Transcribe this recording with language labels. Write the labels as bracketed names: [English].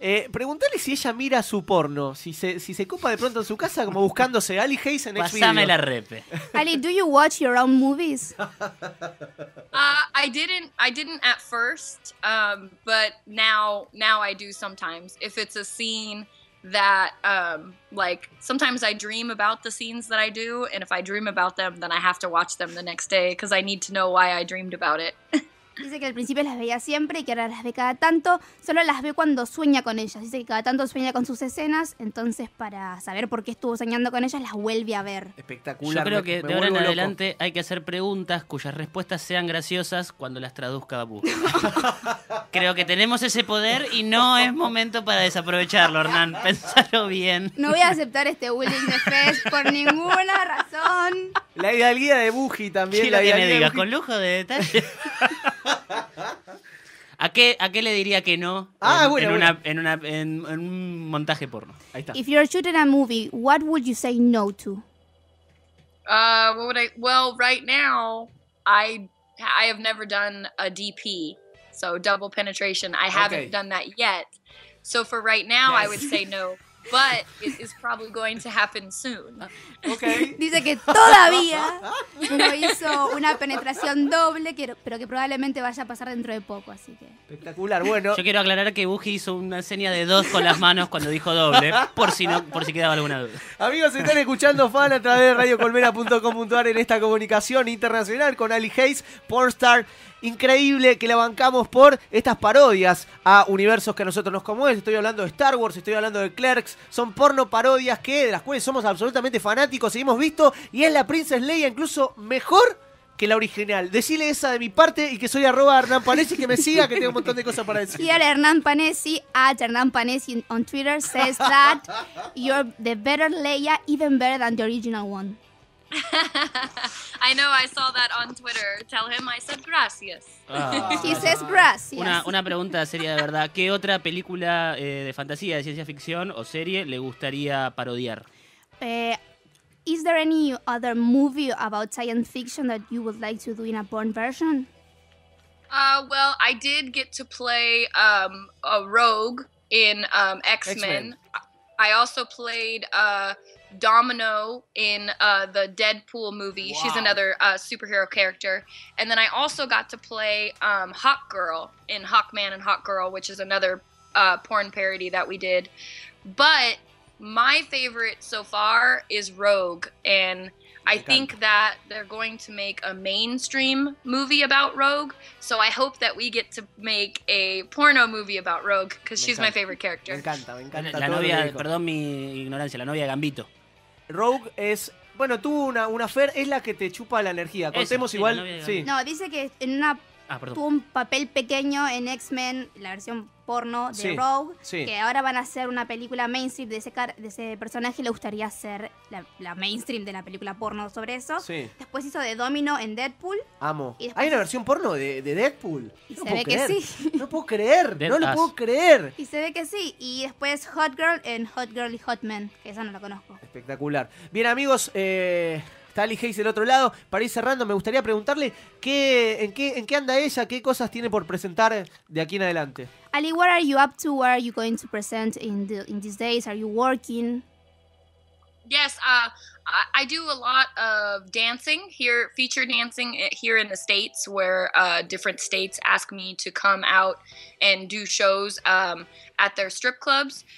[Spanish] Pregúntale si ella mira su porno, si se copa de pronto en su casa como buscándose Ali Hayes en X-Videos. Pásame la repe. [English] Ali, do you watch your own movies? I didn't at first, but now I do sometimes. If it's a scene that, like, sometimes I dream about the scenes that I do, and if I dream about them, then I have to watch them the next day because I need to know why I dreamed about it. [Spanish] Dice que al principio las veía siempre y que ahora las ve cada tanto, solo las ve cuando sueña con ellas. Dice que cada tanto sueña con sus escenas, entonces para saber por qué estuvo soñando con ellas, las vuelve a ver. Espectacular. Yo creo que de ahora en adelante hay que hacer preguntas cuyas respuestas sean graciosas cuando las traduzca Babu. Creo que tenemos ese poder y no es momento para desaprovecharlo, Hernán. Pensalo bien. No voy a aceptar este willing de Fez por ninguna razón. La hidalguía de Buji también. Quiero que me digas, con lujo de detalle. ¿A qué le diría que no en un montaje porno? Ahí está. [English] If you're shooting a movie, what would you say no to? Right now I have never done a DP, so double penetration. I haven't done that yet. So for right now, yes. I would say no. But it is probably going to happen soon. Okay. [Spanish] Dice que todavía no hizo una penetración doble, pero que probablemente vaya a pasar dentro de poco, así que. Espectacular. Bueno, yo quiero aclarar que Buji hizo una seña de dos con las manos cuando dijo doble, por si quedaba alguna duda. Amigos, están escuchando Fan a través de radiocolmena.com.ar en esta comunicación internacional con Ali Hayes, pornstar increíble, que la bancamos por estas parodias a universos que a nosotros nos conmueven. Estoy hablando de Star Wars, estoy hablando de Clerks, son porno parodias que de las cuales somos absolutamente fanáticos y hemos visto, y es la Princess Leia incluso mejor que la original. Decile esa de mi parte y que soy arroba Hernán Panessi, que me siga, que tengo un montón de cosas para decir. [English] Here Hernán Panessi, at Hernán Panessi on Twitter, says that you're the better Leia, even better than the original one. I know, I saw that on Twitter. Tell him I said gracias. He says gracias. [Spanish] Una pregunta seria de verdad. ¿Qué otra película de fantasía, de ciencia ficción o serie le gustaría parodiar? [English] Is there any other movie about science fiction that you would like to do in a porn version? Well, I did get to play a rogue in X-Men. I also played Domino in the Deadpool movie. Wow. She's another superhero character. And then I also got to play Hawk Girl in Hawkman and Hawk Girl, which is another porn parody that we did. But my favorite so far is Rogue. And I think that they're going to make a mainstream movie about Rogue. So I hope that we get to make a porno movie about Rogue, because she's my favorite character. [Spanish] Me encanta. Perdón mi ignorancia, la novia de Gambito. Rogue es, bueno, tuvo una affair, es la que te chupa la energía. Contemos igual. Sí. No, dice que en una tuvo un papel pequeño en X-Men, la versión porno de Rogue, que ahora van a hacer una película mainstream de ese personaje, le gustaría hacer la mainstream de la película porno sobre eso. Sí. Después hizo de Domino en Deadpool. Amo. Hay una versión porno de Deadpool. Y se ve que sí. No puedo creer. No lo puedo creer. Y se ve que sí. Y después Hot Girl en Hot Girl y Hot Man, que esa no la conozco. Espectacular. Bien, amigos, Ali Hayes del otro lado, para ir cerrando, me gustaría preguntarle en qué anda ella, qué cosas tiene por presentar de aquí en adelante. [English] Ali, what are you up to? What are you going to present in these days? Are you working? Yes, I do a lot of dancing here, feature dancing here in the States, where different states ask me to come out and do shows at their strip clubs.